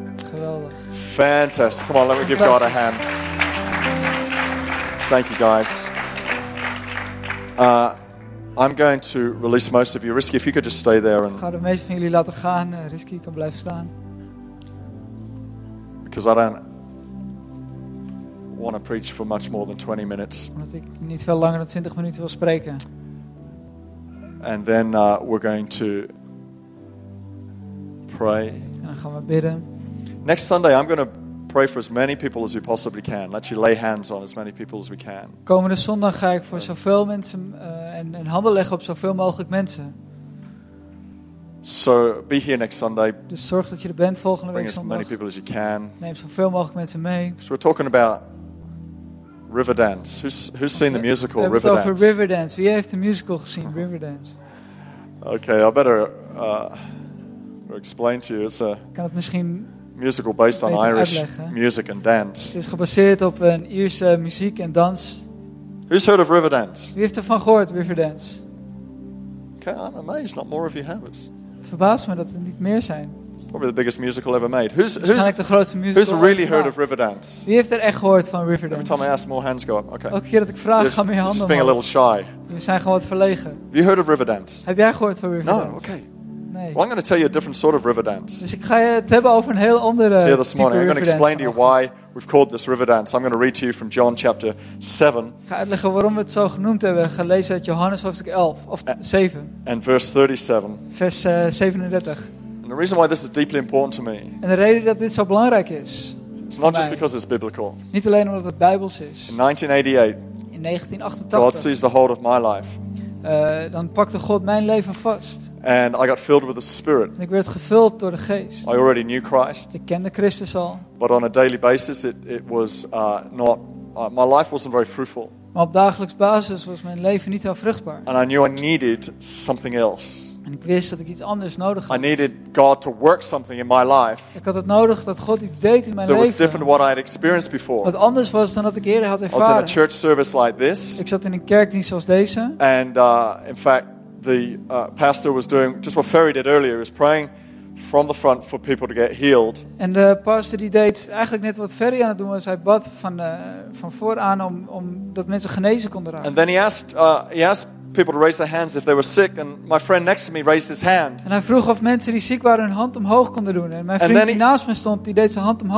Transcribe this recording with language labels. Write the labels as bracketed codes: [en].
[nl] Geweldig. [en] Fantastic. Come on, let me give God a hand. Thank you, guys. I'm going to release most of you. Risky, if you could just stay there. [nl] Ik ga de meeste van jullie laten gaan. Risky, je kan blijven staan. [en] Because I don't want to preach for much more than 20 minutes. [nl] Omdat ik niet veel langer dan 20 minuten wil spreken. [en] And then we're going to pray. [nl] En dan gaan we bidden. [en] Next Sunday, I'm going to pray for as many people as we possibly can. Let you lay hands on as many people as we can. [nl] Komende zondag ga ik voor zoveel mensen en handen leggen op zoveel mogelijk mensen. [en] So be here next Sunday. [nl] Dus zorg dat je er bent volgende [en] Bring [nl] week zondag. [en] As many people as you can. [nl] Neem zoveel mogelijk mensen mee. [en] So we're talking about Riverdance. Who's seen the musical we Riverdance? [nl] Over Riverdance. Wie heeft de musical gezien Riverdance? [en] Okay, I better explain to you. [nl] Kan het misschien [en] musical based on Irish music and dance. [nl] Het is gebaseerd op een Ierse muziek en dans. [en] Who's heard of Riverdance? [nl] Wie heeft ervan gehoord, Riverdance? [en] Okay, I'm amazed, not more of you have it. [nl] Het verbaast me dat er niet meer zijn. [en] Probably the biggest musical ever made. Who's really heard of Riverdance? [nl] Wie heeft er echt gehoord van Riverdance? [en] Every time I ask, more hands go up. Okay. [nl] Elke keer dat ik vraag, gaan meer handen. [en] Just being a little shy. [nl] We zijn gewoon wat verlegen. [en] Have you heard of Riverdance? [nl] Heb jij gehoord van Riverdance? [en] No, okay. [nl] Nee. [en] Well, I'm going to tell you a different sort of river dance. [nl] Dus ik ga het hebben over een heel andere [en] here this morning. I'm going to explain to you why we've called this river dance. I'm going to read to you from John chapter 7. [nl] Ik ga uitleggen waarom we het zo genoemd hebben. Gelezen uit Johannes hoofdstuk 11 of 7. [en] And verse 37. [nl] Vers 37. [en] And the reason why this is deeply important to me. [nl] En de reden dat dit zo belangrijk is. [en] It's not just because it's biblical. [nl] Niet alleen omdat het Bijbels is. [en] In 1988. [nl] In 1988. [en] God sees the hold of my life. [nl] Dan pakte God mijn leven vast. [en] And I got filled with the Spirit. [nl] En ik werd gevuld door de Geest. [en] I already knew Christ. [nl] Ik kende Christus al. [en] But on a daily basis, it was not my life wasn't very fruitful. [nl] Maar op dagelijks basis was mijn leven niet heel vruchtbaar. [en] And I knew I needed something else. [nl] En ik wist dat ik iets anders nodig had. [en] I needed God to work something in my life. [nl] Ik had het nodig dat God iets deed in mijn leven. [en] That was different than what I had experienced before. [nl] Wat anders was dan wat ik eerder had ervaren. [en] I was in a church service like this. [nl] Ik zat in een kerkdienst zoals deze. [en] And in fact, the pastor was doing just what Ferry did earlier. He was praying from the front for people to get healed. [nl] En de pastor die deed eigenlijk net wat Ferry aan het doen was. Hij bad van vooraan om dat mensen genezen konden raken. [en] And then he asked people to raise their hands if they were sick, and my friend next to me raised his hand. [nl] En hij vroeg of mensen die ziek waren hun hand omhoog konden doen. En mijn vriend die naast me stond, die deed zijn hand omhoog.